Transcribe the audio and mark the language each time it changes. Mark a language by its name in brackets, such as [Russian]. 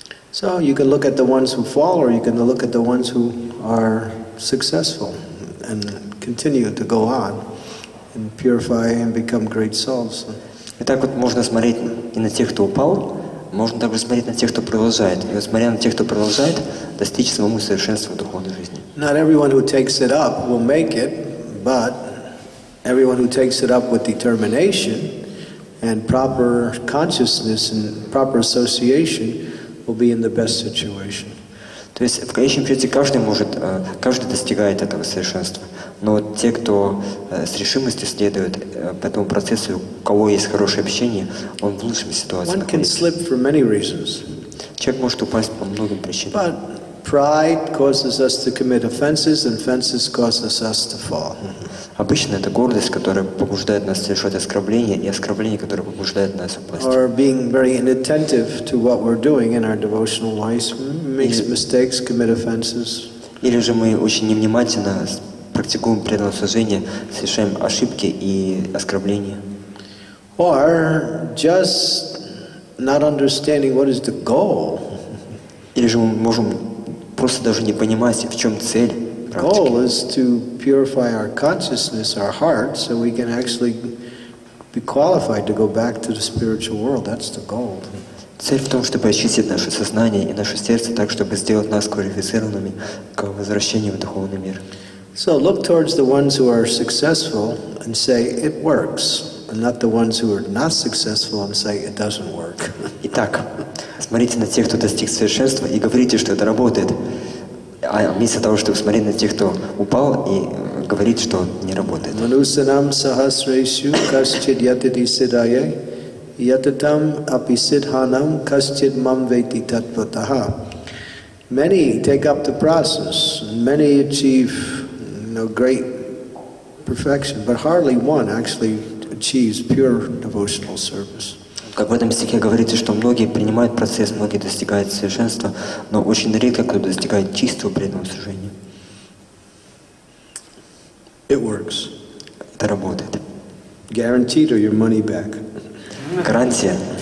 [English] So you can look at the ones who fall, or you can look at the ones who are successful and continue to go on and purify and become great souls. [Russian] И так вот можно смотреть и на тех, кто упал, можно также смотреть на тех, кто продолжает. И вот смотря на тех, кто продолжает, достичь самому совершенства духовной жизни. [English] Not everyone who takes it up will make it, but everyone who takes it up with determination and proper consciousness and proper association will be in the best situation. [Russian] То есть в конечном счете каждый может, каждый достигает этого совершенства. Но вот те, кто с решимостью следует по этому процессу, у кого есть хорошее общение, он в лучшем ситуации. [English] One can slip for many reasons. [Russian] Человек может упасть по многим причинам. [English] But pride causes us to commit offenses, and offenses causes us to fall. [Russian] Обычно это гордость, которая побуждает нас совершать оскорбления, и оскорбления, которые побуждают нас упасть. [English] Or being very inattentive to what we're doing in our devotional lives makes mistakes, commit offenses. [Russian] Или же мы очень невнимательно практикуем преданное служение, совершаем ошибки и оскорбления. [English] Or just not understanding what is the goal. [Russian] Или же мы можем просто даже не понимать, в чем цель. [English] Goal is to purify our consciousness, our heart, so we can actually be qualified to go back to the spiritual world. That's the goal. [Russian] Цель в том, чтобы очистить наше сознание и наше сердце так, чтобы сделать нас квалифицированными к возвращению в духовный мир. [English] So look towards the ones who are successful and say it works, and not the ones who are not successful and say it doesn't work. [Russian] Итак, смотрите на тех, кто достиг совершенства, и говорите, что это работает. А вместо того, чтобы смотреть на тех, кто упал, и говорить, что не работает. [Sanskrit] Манусанам сахасрейшу касчид ятиди сидайе ятитам апи сидханам касчид мам вейти татватаха. [English] Many take up the process, many achieve great perfection, but hardly one actually achieves pure devotional service. [Russian] Как в этом стихе говорится, что многие принимают процесс, многие достигают совершенства, но очень редко кто достигает чистого преданного служения. [English] It works. [Russian] Это работает. [English] Guaranteed or your money back? [Russian] Гарантия.